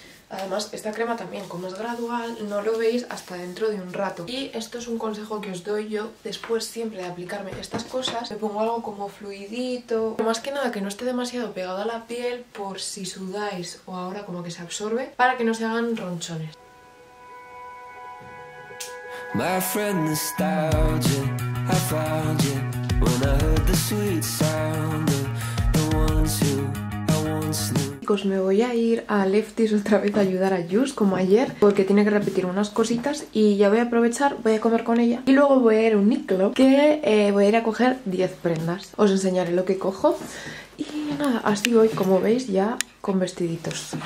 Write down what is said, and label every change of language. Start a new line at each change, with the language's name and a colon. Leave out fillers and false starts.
Spanish: Además, esta crema también, como es gradual, no lo veis hasta dentro de un rato. Y esto es un consejo que os doy yo. Después siempre de aplicarme estas cosas, me pongo algo como fluidito. Más que nada, que no esté demasiado pegado a la piel, por si sudáis o ahora como que se absorbe, para que no se hagan ronchones.
English: My friend nostalgia, I found you. When I heard the sweet sound of the ones who...
Spanish: Chicos, me voy a ir a Lefty's otra vez a ayudar a Jus, como ayer, porque tiene que repetir unas cositas y ya voy a aprovechar, voy a comer con ella. Y luego voy a ir a Uniqlo, que voy a ir a coger 10 prendas. Os enseñaré lo que cojo. Y nada, así voy, como veis, ya con vestiditos.